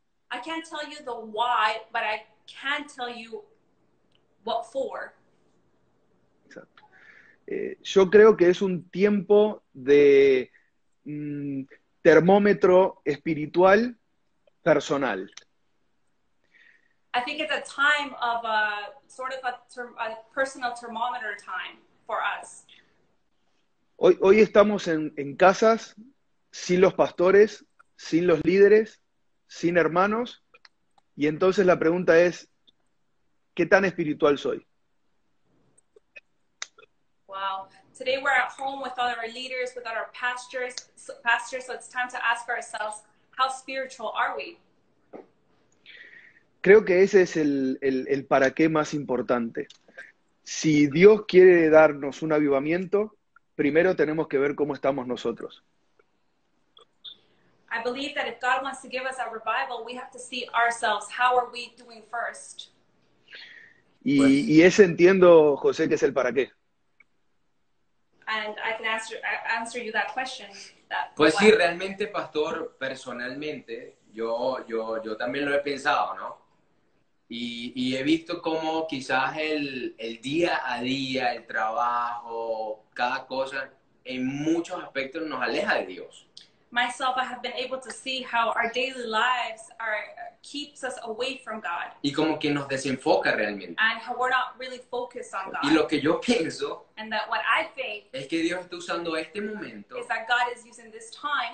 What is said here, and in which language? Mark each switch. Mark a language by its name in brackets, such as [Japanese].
[English] I can't tell you the why, but I can tell you what for. [Spanish] Yo creo que es un tiempo de termómetro espiritual personal. [English] I think it's a time of a sort of a personal thermometer time for us. [Spanish] Hoy estamos en casas sin los pastores, sin los líderes, sin hermanos, y entonces la pregunta es, ¿qué tan espiritual soy? [English] Wow. Today we're at home without our leaders, without our pastors, so it's time to ask ourselves, how spiritual are we? [Spanish] Creo que ese es el para qué más importante. Si Dios quiere darnos un avivamiento, primero tenemos que ver cómo estamos nosotros. [English] I believe that if God wants to give us a revival, we have to see ourselves. How are we doing first? [Spanish] Y ese entiendo, José, que es el para qué. [English] And I can answer you that question. [Spanish] Pues sí, realmente, pastor, personalmente, yo también lo he pensado, ¿no? Y he visto cómo quizás el día a día, el trabajo, cada cosa, en muchos aspectos nos aleja de Dios. [English] Myself, I have been able to see how our daily lives keeps us away from God. [Spanish] Y como que nos desenfoca realmente. [English] And how we're not really focused on God. [Spanish] Y lo que yo pienso, [English] and that what I think, [Spanish] es que Dios está usando este momento, [English] is that God is using this time,